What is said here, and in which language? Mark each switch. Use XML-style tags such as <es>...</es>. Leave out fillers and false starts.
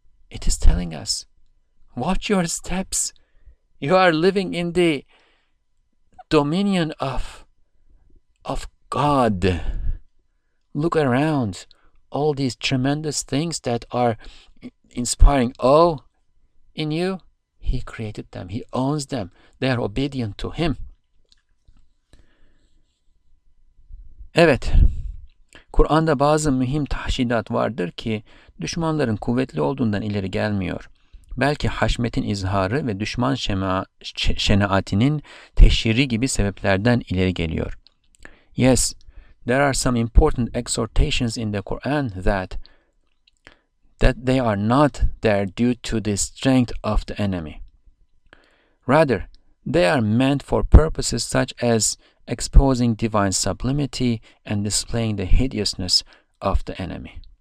<en>It is telling us, watch your steps. You are living in the dominion of God. Look around, all these tremendous things that are inspiring awe in you, He created them. He owns them. They are obedient to Him.</en> <tr>Evet, Kur'an'da bazı mühim tahşidat vardır ki düşmanların kuvvetli olduğundan ileri gelmiyor. Belki haşmetin izharı ve düşman şenaatinin teşhiri gibi sebeplerden ileri geliyor.</tr> <en>Yes, there are some important exhortations in the Quran that they are not there due to the strength of the enemy. Rather, they are meant for purposes such as exposing divine sublimity and displaying the hideousness of the enemy.</en>